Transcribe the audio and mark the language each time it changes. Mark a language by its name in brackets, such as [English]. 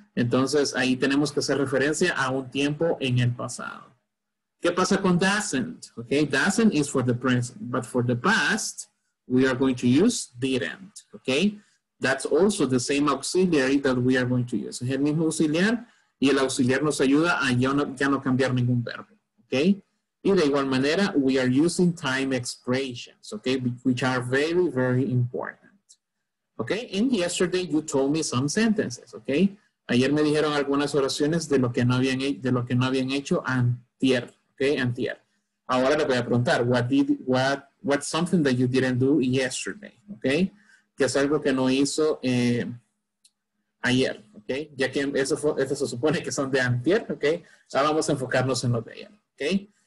[Spanish] Entonces, ahí tenemos que hacer referencia a un tiempo en el pasado. ¿Qué pasa con doesn't? [English] Okay, doesn't is for the present, but for the past, we are going to use didn't, okay? That's also the same auxiliary that we are going to use. [Spanish] Es el mismo auxiliar, y el auxiliar nos ayuda a ya no cambiar ningún verbo, okay? Y de igual manera, [English] we are using time expressions, okay, which are very, very important. Okay, and yesterday you told me some sentences, okay? [Spanish] Ayer me dijeron algunas oraciones de lo que no habían hecho antier, okay? Antier. Ahora le voy a preguntar, [English] what's something that you didn't do yesterday, okay? [Spanish] Que es algo que no hizo ayer, okay? Ya que eso se supone que son de antier, okay? Ahora vamos a enfocarnos en lo de ayer, okay?